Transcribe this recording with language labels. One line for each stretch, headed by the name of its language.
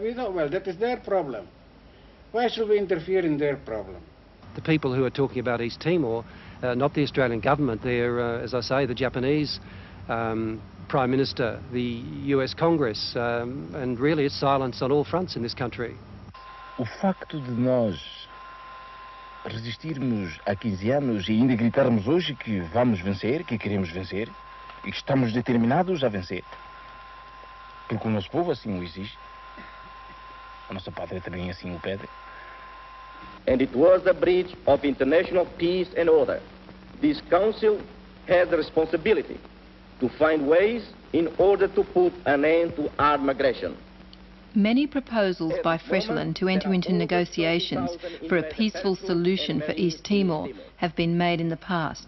English: We thought, well, that is their problem. Why should we interfere in their problem? The people who are talking about East Timor, not the Australian government, they're, as I say, the Japanese Prime Minister, the US Congress, and really it's silence on all fronts in this country.
Portuguese: O facto de nós resistirmos há 15 anos e ainda gritarmos hoje que vamos vencer, que queremos vencer, e que estamos determinados a vencer, porque o nosso povo assim o exige, a nossa pátria também assim o pede.
English: And it was a breach of international peace and order. This council has the responsibility to find ways in order to put an end to armed aggression. Many proposals by Fretilin to enter into negotiations for a peaceful solution for East Timor have been made in the past.